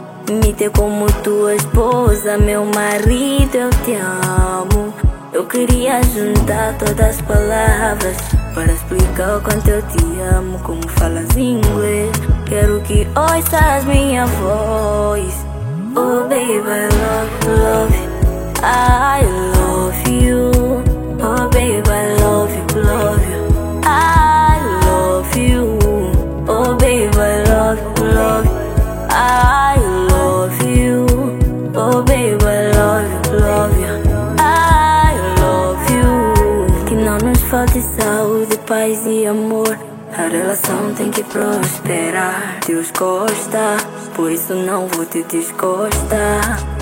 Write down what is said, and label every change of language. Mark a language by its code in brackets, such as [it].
[pt] Me ter como tua esposa, meu marido, eu te amo. Eu queria juntar todas as palavras para explicar o quanto eu te amo. Como falas inglês, quero que ouças minha voz. [en] Oh baby, I love, love, I love you. Oh babe, I love you, love you. I love you. Oh babe, I love you, love you. I love you. Oh babe, I love you, love you. I love you. [pt] Que não nos falte saúde, paz e amor. A relação tem que prosperar. Deus gosta, por isso não vou te desgostar.